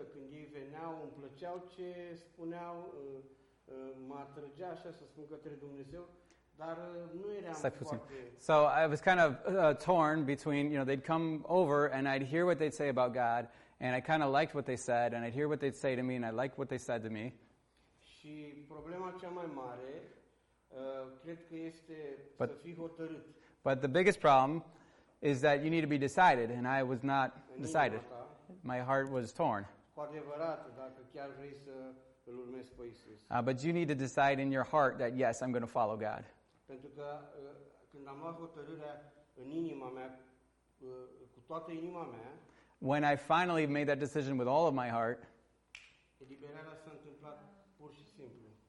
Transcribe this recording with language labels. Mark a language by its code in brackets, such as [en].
[ro] Când ei veneau, îmi plăceau ce spuneau, mă atrăgea așa să spun către Dumnezeu, dar nu eram foarte... [en] So I was kind of torn between, you know, they'd come over and I'd hear what they'd say about God and I kind of liked what they said and I'd hear what they'd say to me and I liked what they said to me. [ro] Și problema cea mai mare, cred că este but, să fii hotărât. [en] But the biggest problem is that you need to be decided, and I was not decided. My heart was torn. [ro] Cu adevărat, dacă chiar vrei să îl urmezi pe Iisus. [en] But you need to decide in your heart that, yes, I'm going to follow God. [ro] Pentru că când am luat hotărârea în inima mea, cu toată inima mea, [en] when I finally made that decision with all of my heart, [ro] eliberarea s-a întâmplat pur și simplu.